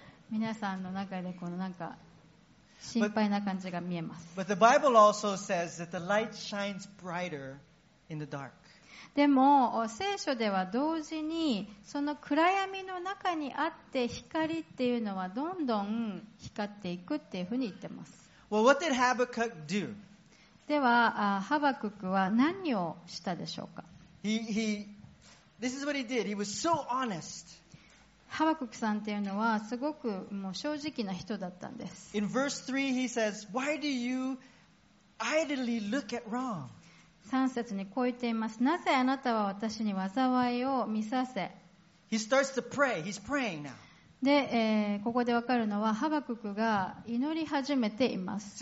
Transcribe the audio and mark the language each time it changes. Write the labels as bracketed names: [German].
[Japanese] 皆さんの中でこのなんか心配な感じが見えます。 [English] But the Bible also says that the light shines brighter in the dark. [Japanese] でも聖書では同時にその暗闇の中にあって光っていうのはどんどん光っていくっていうふうに言ってます。 [English] Well, what did Habakkuk do? [Japanese] ではハバククは何をしたでしょうか。 [English] This is what he did. He was so honest. [Japanese] ハバククさんっていうのはすごくもう正直な人だったんです。 [English] In verse 3 he says, Why do you idly look at wrong? [Japanese] 3節にこう言っています。なぜあなたは私に災いを見させ。 [English] He starts to pray. He's praying now. [Japanese] で、ここでわかるのはハバククが祈り始めています。